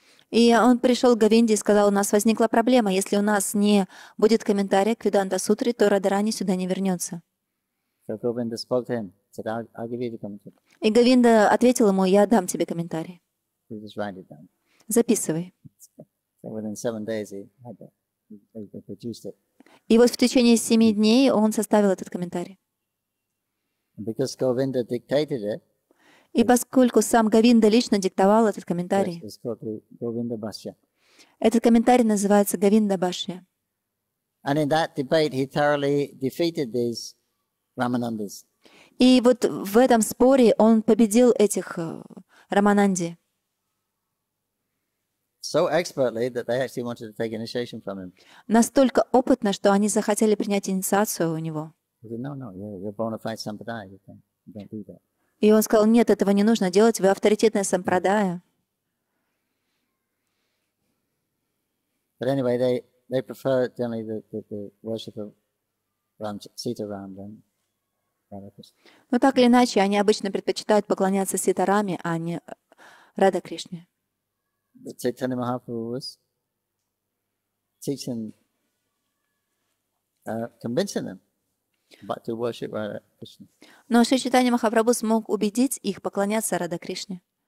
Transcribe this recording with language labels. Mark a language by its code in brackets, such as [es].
[ru] и он пришел к Говинде и сказал, у нас возникла проблема. Если у нас не будет комментария к Веданта Сутре, то Радарани сюда не вернется. [en] So Govinda spoke to him, said, I'll give you the commentary. [ru] И Говинда ответил ему, я дам тебе комментарий. [en] He just write it down. [ru] Записывай. [en] So within 7 days he produced it. [ru] И вот в течение 7 дней он составил этот комментарий. [en] And because Govinda dictated it, [ru] и поскольку сам Говинда лично диктовал этот комментарий, [en] yes, it's called Govinda Bhashya. [ru] Этот комментарий называется Говинда Бхашья. [en] And in that debate he thoroughly defeated these Ramanandas. [ru] И вот в этом споре он победил этих Рамананди. [en] So expertly that they actually wanted to take initiation from him. [ru] Настолько опытно, что они захотели принять инициацию у него. [en] He said, no, you're bona fide sampradaya. You don't do that. [ru] И он сказал, нет, этого не нужно делать, вы авторитетная сампрадая. [en] But anyway, they prefer generally the worship of Sitaram than Radha-Krishna. [ru] Но так или иначе, они обычно предпочитают поклоняться Ситараме, а не Радха-Кришне. [en] Caitanya Mahaprabhu was teaching, convincing them. But to worship Radha Krishna. [ru] Но Шри Чайтанья Махапрабху смог убедить их поклоняться Радха Кришне.